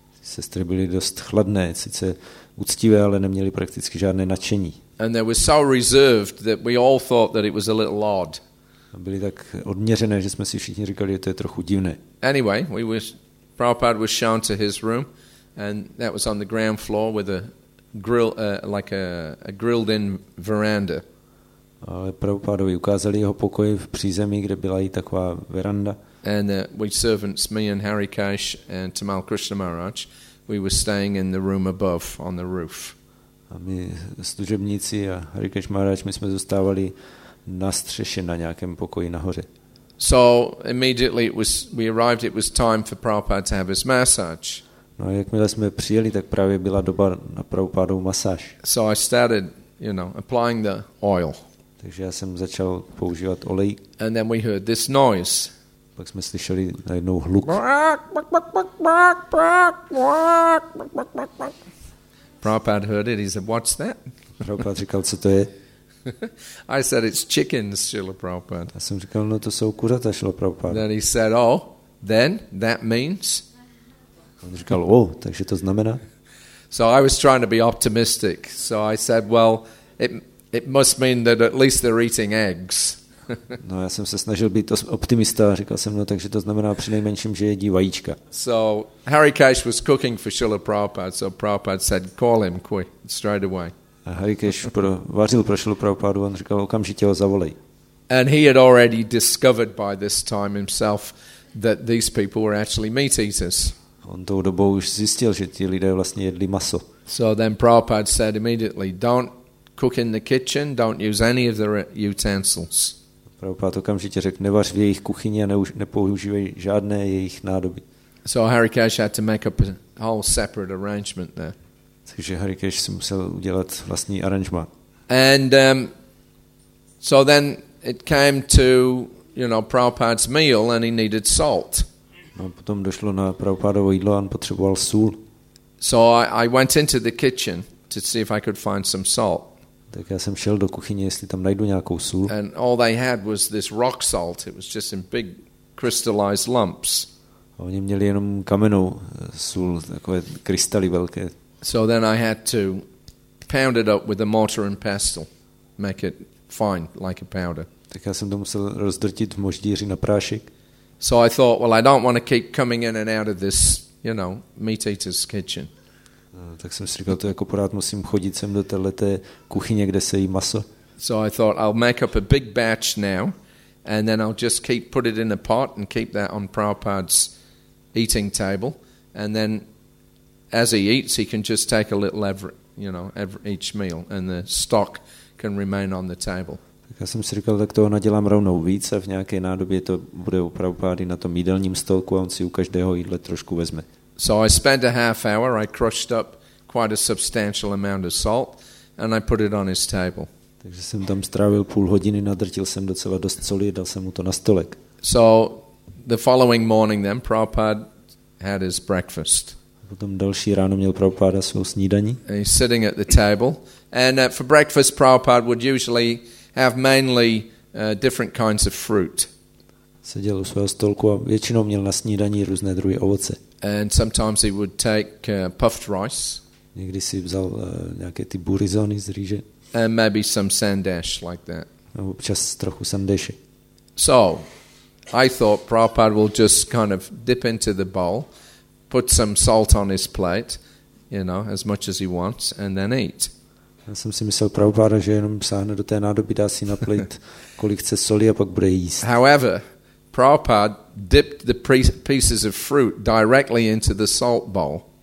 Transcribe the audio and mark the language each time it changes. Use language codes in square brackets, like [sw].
[cs] Sestry byly dost chladné, sice uctivé, ale neměly prakticky žádné nadšení. [en] And they were so reserved that we all thought that it was a little odd. [cs] Byly tak odměřené, že jsme si všichni říkali, že to je trochu divné. [en] Anyway, Prabhupada was shown to his room, and that was on the ground floor with a grill, like a grilled-in veranda. [cs] Ale Prabhupádovi ukázali jeho pokoj v přízemí, kde byla i taková veranda. [en] And we servants, me and Harikesh and Tamal Krishna Maharaj, we were staying in the room above on the roof. [cs] A my služebníci a Harikesh Maharaj, my jsme zůstávali na střeše na nějakém pokoji nahoře. [en] So immediately it was time for Prabhupada to have his massage. [cs] No a jakmile jsme přijeli, tak právě byla doba na Prabhupádovu masáž. [en] So I started, you know, applying the oil. [cs] Takže já jsem začal používat olej. [en] And then we heard this noise. [cs] Pak jsme slyšeli najednou hluk. [en] Prabhupada heard it. He said, "What's that?" [cs] Prabhupada říkal, co to je? [en] I said, "It's chickens, Srila Prabhupada." [cs] Já jsem říkal, no to jsou kuřata, Srila Prabhupada. [en] Then he said, "Oh, then that means." [cs] On říkal, oh, takže to znamená. [en] So I was trying to be optimistic. So I said, "Well, it must mean that at least they're eating eggs." [cs] No, já jsem se snažil být optimista, říkal jsem, no, takže to znamená přinejmenším, že jedí vajíčka. [en] So Harikesh was cooking for Srila Prabhupada, so Prabhupada said, "Call him quick, straight away." [cs] A Harikesh vařil pro Srilu Prabhupádu, on říkal, okamžitě ho zavolej. [en] And he had already discovered by this time himself that these people were actually meat eaters. [cs] On tou dobou už zjistil, že ti lidé vlastně jedli maso. [en] So then Prabhupada said immediately, "Don't cook in the kitchen, don't use any of the utensils." [cs] Prabhupada okamžitě řekl, nevař v jejich kuchyni a nepoužívej žádné jejich nádoby. [en] So Harikesh had to make up a whole separate arrangement there. [cs] Takže Harikesh si musel udělat vlastní aranžma. [en] And so then it came to, you know, Prabhupada's meal and he needed salt. [cs] No, potom došlo na Prabhupádovo jídlo a on potřeboval sůl. [en] So I went into the kitchen to see if I could find some salt. [cs] Tak já jsem šel do kuchyně, jestli tam najdu nějakou sůl. [en] And all they had was this rock salt. It was just in big crystallized lumps. [cs] A oni měli jenom kamennou sůl, takové krystaly velké. [en] So then I had to pound it up with a mortar and pestle, make it fine like a powder. [cs] Tak já jsem to musel rozdrtit v moždíři na prášek. [en] So I thought, well, I don't want to keep coming in and out of this, you know, meat eater's kitchen. [cs] Tak jsem si říkal, to jako pořád musím chodit sem do téhleté kuchyně, kde se jí maso. [en] So I thought, I'll make up a big batch now, and then I'll just keep put it in a pot and keep that on Prabhupada's eating table, and then as he eats, he can just take a little every, you know, every, each meal, and the stock can remain on the table. [cs] Tak já jsem si říkal, tak toho nadělám rovnou víc a v nějaké nádobě to bude u Prabhupády na tom jídelním stolku a on si u každého jídle trošku vezme. [en] So I spent a half hour, I crushed up quite a substantial amount of salt and I put it on his table. [cs] Takže jsem tam strávil půl hodiny, nadrtil jsem docela dost soli a dal jsem mu to na stolek. [en] So the following morning then Prabhupada had his breakfast. [cs] Potom další ráno měl Prabhupáda svou snídaní. [en] He's sitting at the table and for breakfast Prabhupada would usually have mainly different kinds of fruit. [cs] Seděl u svého stolku a většinou měl na snídaní různé druhy ovoce. [en] And sometimes he would take puffed rice. [cs] Někdy si vzal nějaké ty burizony z rýže. [en] And maybe some sandesh like that. [cs] A občas trochu sandeše. [en] So, I thought Prabhupada will just kind of dip into the bowl, put some salt on his plate, you know, as much as he wants, and then eat. [cs] Já jsem si myslel Prabhupada, že jenom sáhne do té nádoby, dá si na plate, kolik chce soli a pak bude jíst. [en] However, Prabhupada dipped the pieces of fruit directly into the salt bowl.